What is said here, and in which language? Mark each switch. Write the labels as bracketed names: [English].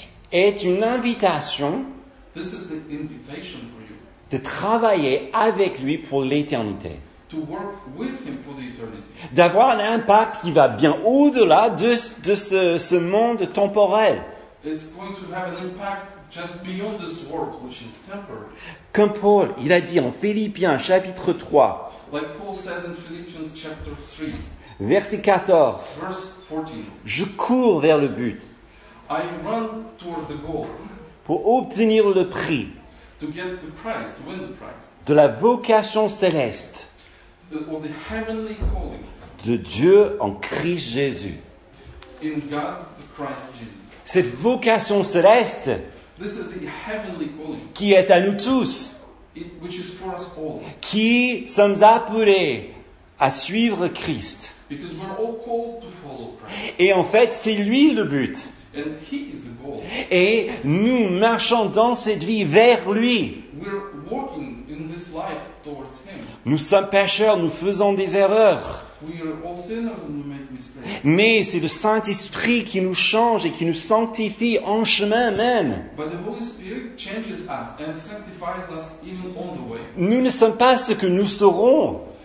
[French] est une invitation, [English] this is the invitation for you, [French] de travailler avec lui pour l'éternité. [English] To work with him for the eternity. [French] D'avoir un impact qui va bien au-delà de ce monde temporel. [English] It's going to have an impact just beyond this world, which is temporary. [French] Comme Paul, il a dit en Philippiens chapitre 3, [English] like Paul says in Philippians chapter 3, [French] verset 14, [English] verse 14, [French] je cours vers le but. [English] I run toward the goal, [French] pour obtenir le prix, [English] to get the prize, to win the prize, [French] de la vocation céleste, [English] or the heavenly calling, [French] de Dieu en Christ Jésus. [English] In God, the Christ Jesus. [French] Cette vocation céleste, [English] this is the heavenly calling, [French] qui est à nous tous, [English] it, which is for us all, [French] qui sommes appelés à suivre Christ. [English] Because we're all called to follow Christ. [French] Et en fait, c'est lui le but. [English] And he is the goal. [French] Et nous marchons dans cette vie vers lui. [English] We're walking in this life towards him. [French] Nous sommes pécheurs, nous faisons des erreurs. [English] We are all sinners and we make mistakes. [French] Mais c'est le Saint-Esprit qui nous change et qui nous sanctifie en chemin même. [English] But the Holy Spirit changes us and sanctifies us even on the way. [French] Nous ne sommes pas ce que nous serons.